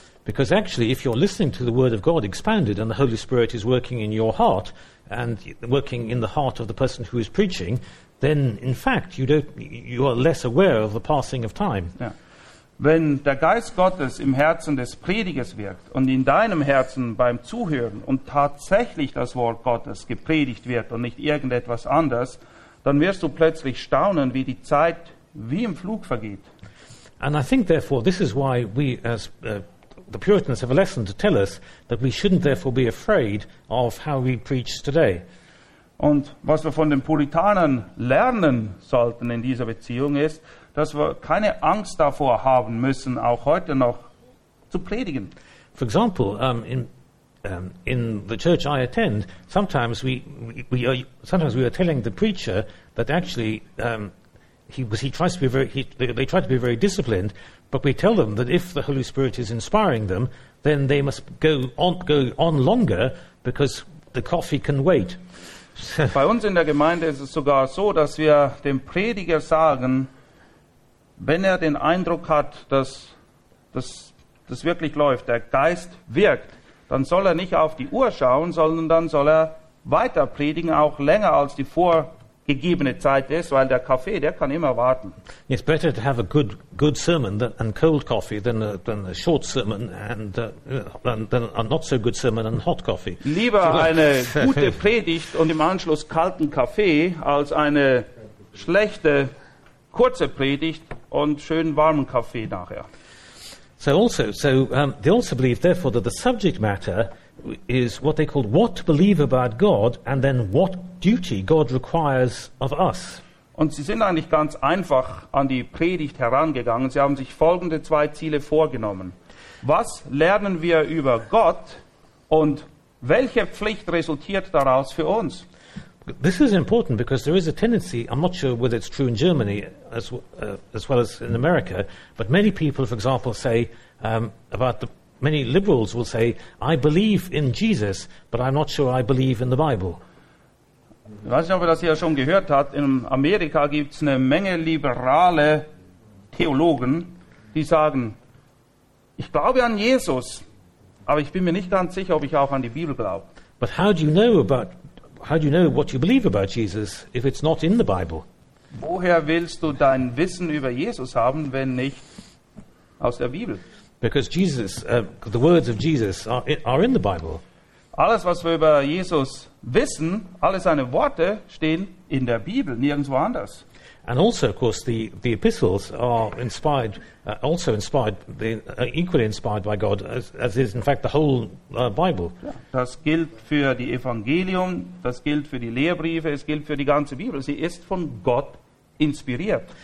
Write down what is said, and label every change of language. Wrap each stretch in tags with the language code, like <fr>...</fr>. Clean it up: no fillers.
<en>Because actually, if you're listening to the Word of God expounded and the Holy Spirit is working in your heart and working in the heart of the person who is preaching, then in fact you are less aware of the passing of time.</en> <de>Ja. Wenn der Geist Gottes im Herzen des Predigers wirkt und in deinem Herzen beim Zuhören und tatsächlich das Wort Gottes gepredigt wird und nicht irgendetwas anders, dann wirst du plötzlich staunen, wie die Zeit wie im Flug vergeht.</de> <en>And I think therefore this is why we as the Puritans have a lesson to tell us that we shouldn't therefore be afraid of how we preach today.</en> <de>Und was wir von den Puritanern lernen sollten in dieser Beziehung ist, dass wir keine Angst davor haben müssen, auch heute noch zu predigen.</de> <en>For example, in the church I attend, sometimes we are telling the preacher that actually they try to be very disciplined, but we tell them that if the Holy Spirit is inspiring them, then they must go on longer because the coffee can wait.</en> <de>Bei uns in der Gemeinde ist es sogar so, dass wir dem Prediger sagen, wenn er den Eindruck hat, dass das wirklich läuft, der Geist wirkt, dann soll er nicht auf die Uhr schauen, sondern dann soll er weiter predigen, auch länger als die vorgegebene Zeit ist, weil der Kaffee, der kann immer warten.</de> <en>It's better to have a good sermon and cold coffee than a short sermon than a not so good sermon and hot coffee.</en> <de>Lieber eine gute Predigt und im Anschluss kalten Kaffee als eine schlechte kurze Predigt und schönen warmen Kaffee nachher.</de> <en>They also believe therefore that the subject matter is what they called what to believe about God and then what duty God requires of us.</en> <de>Und sie sind eigentlich ganz einfach an die Predigt herangegangen. Sie haben sich folgende 2 Ziele vorgenommen. Was lernen wir über Gott und Welche Pflicht resultiert daraus für uns?</de> <en>This is important because there is a tendency, I'm not sure whether it's true in Germany as well as in America, but many people, for example, say about the many liberals will say, I believe in Jesus, but I'm not sure I believe in the Bible.</en> <de>Ich weiß nicht, ob ihr das hier schon gehört habt, in Amerika gibt es eine Menge liberale Theologen, die sagen, ich glaube an Jesus, aber ich bin mir nicht ganz sicher, ob ich auch an die Bibel glaube.</de> <en>But how do you know about, how do you know what you believe about Jesus, if it's not in the Bible?</en> <de>Woher willst du dein Wissen über Jesus haben, wenn nicht aus der Bibel?</de> <en>Because Jesus, the words of Jesus are in the Bible.</en> <de>Alles, was wir über Jesus wissen, alle seine Worte stehen in der Bibel, nirgendwo anders.</de> <en>And also, of course, the epistles are inspired, also inspired, equally inspired by God, as is in fact the whole Bible.</en> <de>Das gilt für die Evangelium, das gilt für die Lehrbriefe, es gilt für die ganze Bibel. Sie ist von Gott inspiriert.</de>